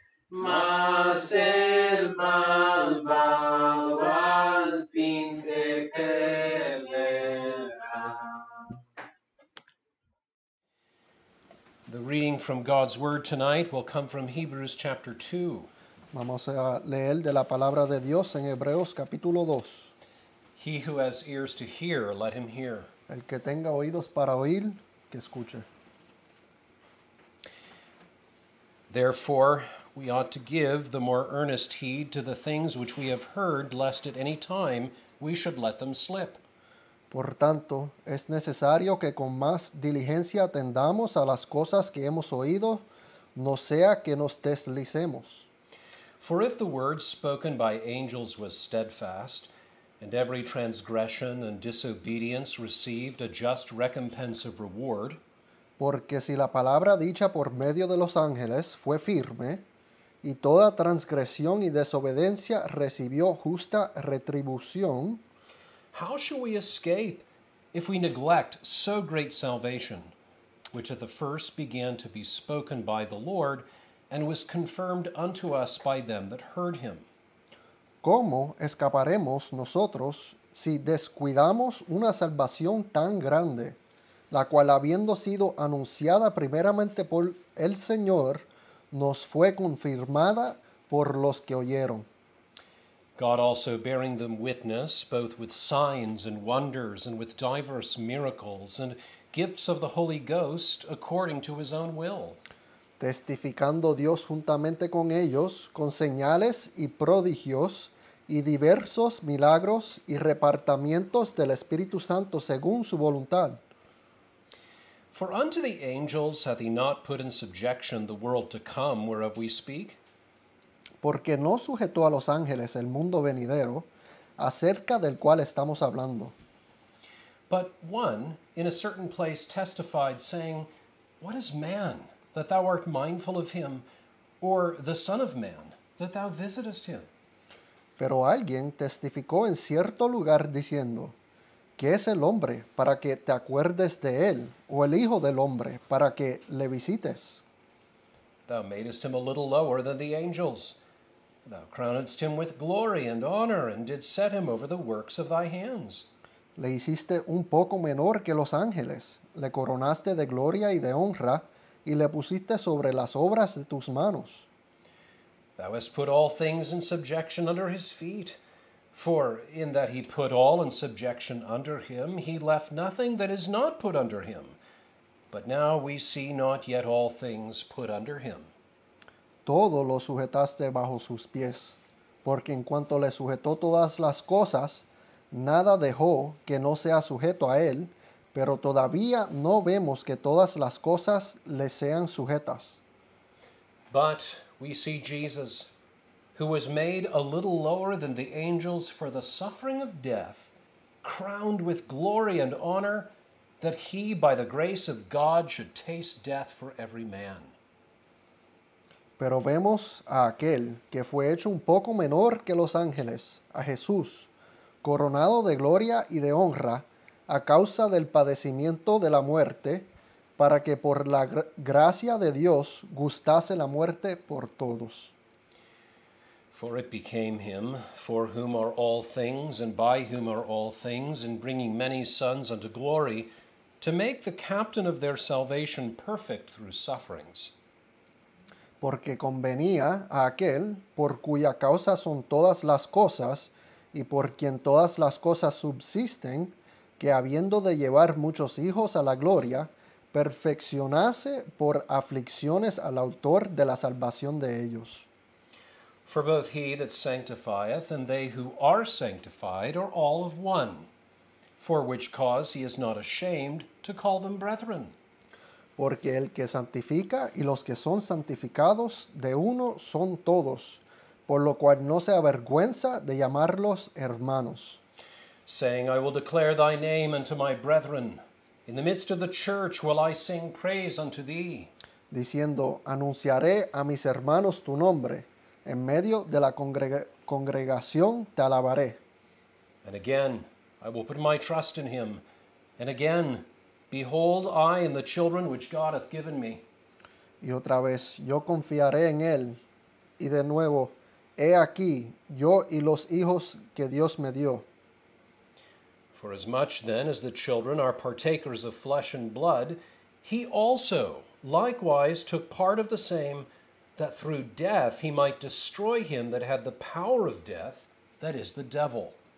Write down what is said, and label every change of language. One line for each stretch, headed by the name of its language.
Spanish: mas el malvado al fin se perderá.
English: The reading from God's Word tonight will come from Hebrews chapter 2.
Spanish: Vamos a leer de la palabra de Dios en Hebreos capítulo 2.
English: He who has ears to hear, let him hear.
Spanish: El que tenga oídos para oír, que escuche.
English: Therefore, we ought to give the more earnest heed to the things which we have heard, lest at any time we should let them slip.
Spanish: Por tanto, es necesario que con más diligencia atendamos a las cosas que hemos oído, no sea que nos deslicemos.
English: For if the word spoken by angels was steadfast, and every transgression and disobedience received a just recompense of reward,
Spanish: porque si la palabra dicha por medio de los ángeles fue firme, y toda transgresión y desobediencia recibió justa retribución,
English: how shall we escape if we neglect so great salvation, which at the first began to be spoken by the Lord, and was confirmed unto us by them that heard him?
Spanish: ¿Cómo escaparemos nosotros si descuidamos una salvación tan grande, la cual habiendo sido anunciada primeramente por el Señor, nos fue confirmada por los que oyeron?
English: God also bearing them witness, both with signs and wonders, and with diverse miracles, and gifts of the Holy Ghost, according to his own will.
Spanish: Testificando Dios juntamente con ellos, con señales y prodigios, y diversos milagros y repartimientos del Espíritu Santo según su voluntad.
English: For unto the angels hath he not put in subjection the world to come whereof we speak?
Spanish: Porque no sujetó a los ángeles el mundo venidero acerca del cual estamos hablando.
English: But one in a certain place testified, saying, What is man that thou art mindful of him, or the son of man that thou visitest him?
Spanish: Pero alguien testificó en cierto lugar diciendo, ¿Qué es el hombre para que te acuerdes de él, o el hijo del hombre para que le visites?
English: Thou madest him a little lower than the angels. Thou crownedst him with glory and honor, and didst set him over the works of thy hands.
Spanish: Le hiciste un poco menor que los ángeles. Le coronaste de gloria y de honra, y le pusiste sobre las obras de tus manos.
English: Thou hast put all things in subjection under his feet. For in that he put all in subjection under him, he left nothing that is not put under him. But now we see not yet all things put under him.
Spanish: Todo lo sujetaste bajo sus pies, porque en cuanto le sujetó todas las cosas, nada dejó que no sea sujeto a él, pero todavía no vemos que todas las cosas le sean sujetas.
English: But we see Jesus, who was made a little lower than the angels for the suffering of death, crowned with glory and honor, that he, by the grace of God, should taste death for every man.
Spanish: Pero vemos a aquel que fue hecho un poco menor que los ángeles, a Jesús, coronado de gloria y de honra, a causa del padecimiento de la muerte, para que por la gracia de Dios gustase la muerte por todos.
English: For it became him, for whom are all things, and by whom are all things, in bringing many sons unto glory, to make the captain of their salvation perfect through sufferings.
Spanish: Porque convenía a aquel por cuya causa son todas las cosas, y por quien todas las cosas subsisten, que habiendo de llevar muchos hijos a la gloria, perfeccionase por aflicciones al autor de la salvación de ellos.
English: For both he that sanctifieth and they who are sanctified are all of one, for which cause he is not ashamed to call them brethren.
Spanish: Porque el que santifica y los que son santificados de uno son todos, por lo cual no se avergüenza de llamarlos hermanos.
English: Saying, I will declare thy name unto my brethren. In the midst of the church will I sing praise unto thee.
Spanish: Diciendo, anunciaré a mis hermanos tu nombre. En medio de la congregación te alabaré.
English: And again, I will put my trust in him. And again, behold, I and the children which God hath given me.
Spanish: Y otra vez, yo confiaré en él. Y de nuevo, he aquí, yo y los hijos que Dios me dio.
English: For as much then as the children are partakers of flesh and blood, he also likewise took part of the same, that through death he might destroy him that had the power of death, that is the devil.